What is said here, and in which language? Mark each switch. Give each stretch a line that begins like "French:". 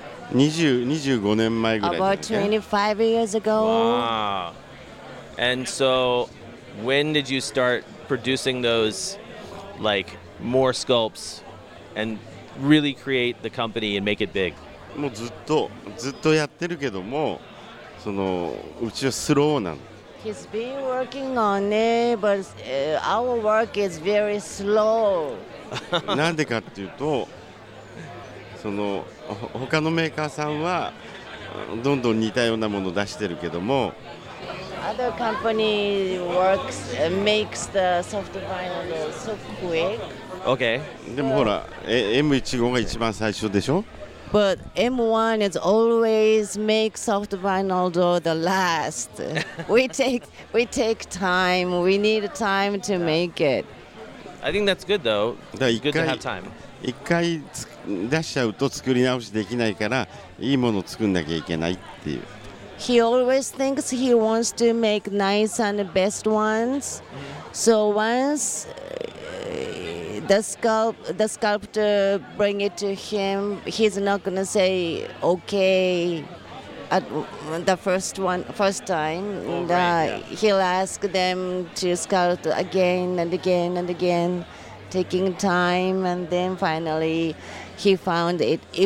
Japanese: 25 年前ぐらい。
English: About 25 years ago. Wow. And so, when did you start producing those, like, more sculpts and really create the company and make it big?
Japanese: もうずっとやってるけども、その、うちはスローなの。
English: He's been working on it, but our work is very slow.
Japanese: なんでかっていうと、その他のメーカーさんはどんどん似たようなものを出してるけども、
English: other company works makes the soft vinyl so quick. Okay.
Japanese: でもほら、M15 が一番最初でしょ。
English: But M1 is always make soft vinyl door the last. We take time. We need time to make it. I think that's good though. It's good to have time.
Japanese: 一回出しちゃうと作り直しできないから、いいものを作んなきゃいけないっていう。
English: He always thinks he wants to make nice and best ones. So once the sculptor bring it to him, he's not gonna say okay at the first time. He'll ask them to sculpt again and again and again, taking time, and then finally he found it.